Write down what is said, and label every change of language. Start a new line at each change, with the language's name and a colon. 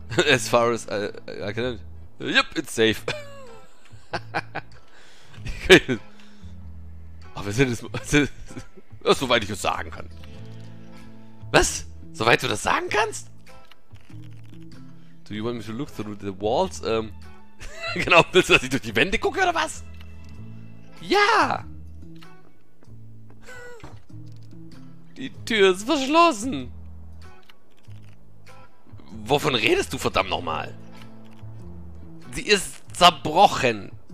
English: As far as I can. Yep, it's safe.
German: Aber sind es, soweit ich es sagen kann. Was? Soweit du das sagen kannst?
English: Do you want me to look through the walls?
German: Genau, willst du, dass ich durch die Wände gucke oder was? Ja! Die Tür ist verschlossen. Wovon redest du verdammt nochmal? Sie ist zerbrochen.